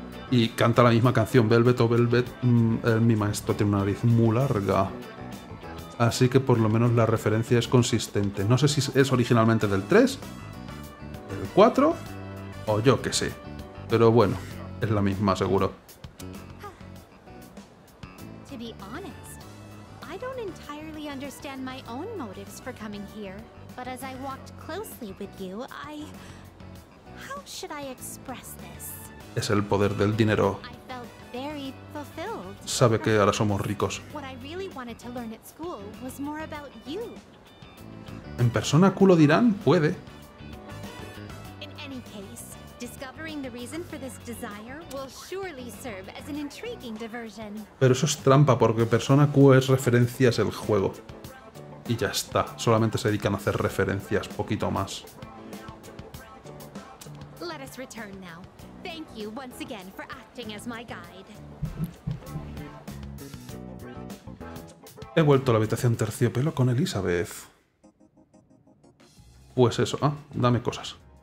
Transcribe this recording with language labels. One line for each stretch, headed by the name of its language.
Spanish: Y canta la misma canción, Velvet o Velvet, mi maestro tiene una nariz muy larga. Así que por lo menos la referencia es consistente. No sé si es originalmente del 3, del 4, o yo qué sé. Pero bueno, es la misma, seguro.
English: honest. I don't entirely understand my own motives for coming here, but as I walked closely with you, I... How should I express this?
Spanish: Es el poder del dinero.
English: I felt very fulfilled.
Spanish: Sabe que ahora somos ricos.
English: What I really wanted to learn at school was more about you.
Spanish: En persona, culo dirán, puede.
English: In any case, discovering the reason for this desire will surely serve as an intriguing diversion.
Spanish: Pero eso es trampa, porque persona Q es referencias el juego. Y ya está, solamente se dedican a hacer referencias, poquito más.
English: Let us return now. Thank you once again for acting as my guide.
Spanish: He vuelto a la habitación terciopelo con Elizabeth. Pues eso, ah, dame cosas.